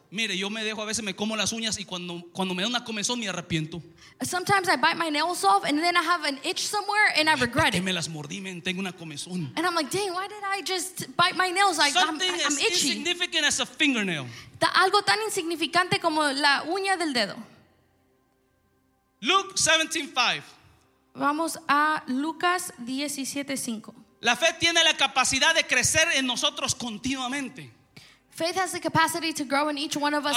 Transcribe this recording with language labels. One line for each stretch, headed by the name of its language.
Spanish: Mire, yo me dejo a veces me como las uñas y cuando me da una comezón me arrepiento.
English: Sometimes I bite my nails off and then I have an itch somewhere and I regret it. ¿Por qué me las mordí? Me tengo una comezón. And I'm like, dang, why did I just bite my nails? I'm itchy. Something as insignificant as a fingernail.
Spanish: Algo tan insignificante como la uña del dedo.
English: Luke 17:5.
Spanish: Vamos a Lucas 17:5. La fe tiene la capacidad de crecer en nosotros continuamente.
English: Faith has the capacity to grow in each one of us.